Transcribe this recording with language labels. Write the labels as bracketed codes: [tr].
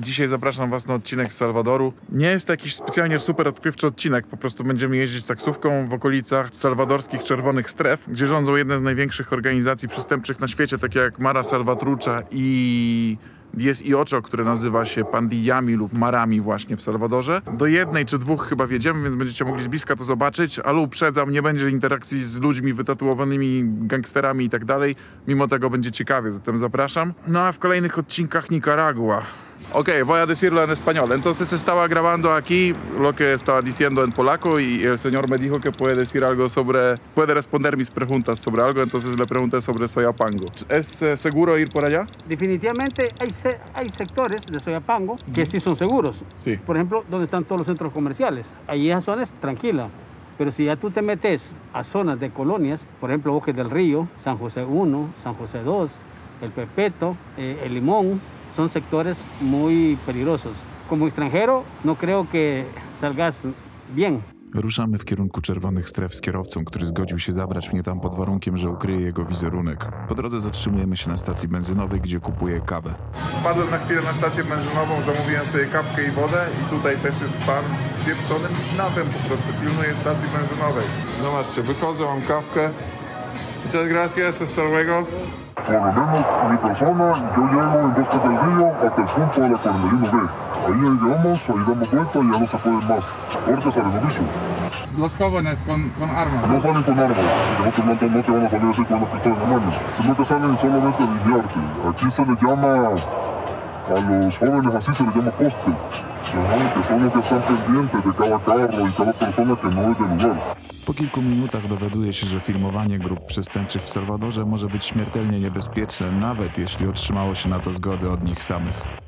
[pl] Dzisiaj zapraszam was na odcinek z Salwadoru. Nie jest to jakiś specjalnie super odkrywczy odcinek, po prostu będziemy jeździć taksówką w okolicach salwadorskich czerwonych stref, gdzie rządzą jedne z największych organizacji przestępczych na świecie, takie jak Mara Salvatrucha i Diez y Ocho, które nazywa się pandillami lub marami właśnie w Salwadorze. Do jednej czy dwóch chyba wjedziemy, więc będziecie mogli z bliska to zobaczyć, ale uprzedzam, nie będzie interakcji z ludźmi wytatuowanymi, gangsterami i tak dalej. Mimo tego będzie ciekawie, zatem zapraszam. No a w kolejnych odcinkach Nicaragua. [es] Okej, voy a decirlo en español. Entonces estaba grabando aquí lo que estaba diciendo en polaco y el señor me dijo que puede decir algo sobre... puede responder mis preguntas sobre algo, entonces le pregunté sobre Soyapango. ¿Es seguro ir por allá? Definitivamente hay sectores de Soyapango que sí son seguros. Sí. Por ejemplo, donde están todos los centros comerciales. Allí esa zona es tranquila. Pero si ya tú te metes a zonas de colonias, por ejemplo, Bosques del Río, San José 1, San José 2, El Pepeto, El Limón, son sectores muy peligrosos. Como extranjero, no creo que salgas bien. [pl] Ruszamy w kierunku czerwonych stref z kierowcą, który zgodził się zabrać mnie tam pod warunkiem, że ukryje jego wizerunek. Po drodze zatrzymujemy się na stacji benzynowej, gdzie kupuję kawę. Wpadłem na chwilę na stację benzynową, zamówiłem sobie kapkę i wodę i tutaj też jest pan z pieprzonym napem, po prostu pilnuje stacji benzynowej. No zobaczcie, wychodzę, mam kawkę. [es] Muchas gracias, hasta luego. Convenemos mi persona, yo llego en Bosque del Río hasta el punto de la 41 B. Ahí llegamos, ahí damos vuelta y ya no se pueden más. Ahorita salen los bichos. Los jóvenes con armas. No salen con armas, porque no te van a salir así con la pistola en la mano. Sino que salen solamente a lidiarte. Aquí se les llama, a los jóvenes así se les llama poste. Que son los que están pendientes de cada carro y cada persona que no es de lugar. [pl] Po kilku minutach dowiaduje się, że filmowanie grup przestępczych w Salwadorze może być śmiertelnie niebezpieczne, nawet jeśli otrzymało się na to zgody od nich samych.